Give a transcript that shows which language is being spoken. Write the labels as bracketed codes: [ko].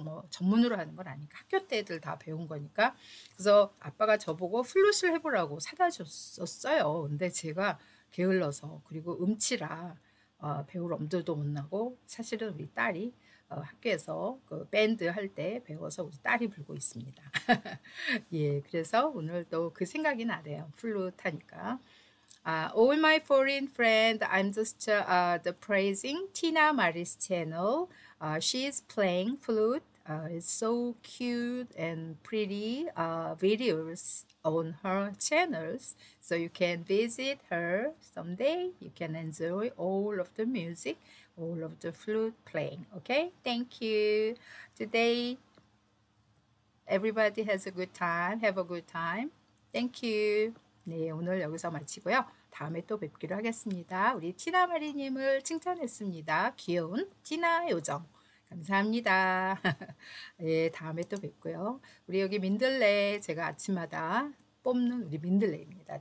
[ko] 뭐 전문으로 하는 건 아니니까, 학교 때 애들 다 배운 거니까. 그래서 아빠가 저보고 플룻을 해보라고 사다 줬었어요. 근데 제가 게을러서, 그리고 음치라 배울 엄두도 못 나고, 사실은 우리 딸이 학교에서 그 밴드 할때 배워서 우리 딸이 불고 있습니다. 예, 그래서 오늘 또그 생각이 나네요. 플룻 하니까. [en] All my foreign friend, I'm just the praising Tina Marie's channel. She's playing flute. It's so cute and pretty videos on her channels. So you can visit her someday. You can enjoy all of the music. All of the flute playing, okay? Thank you. Today, everybody has a good time. Have a good time. Thank you. [ko] 네, 오늘 여기서 마치고요. 다음에 또 뵙기로 하겠습니다. 우리 티나마리님을 칭찬했습니다. 귀여운 티나 요정. 감사합니다. 예, 다음에 또 뵙고요. 우리 여기 민들레, 제가 아침마다 뽑는 우리 민들레입니다.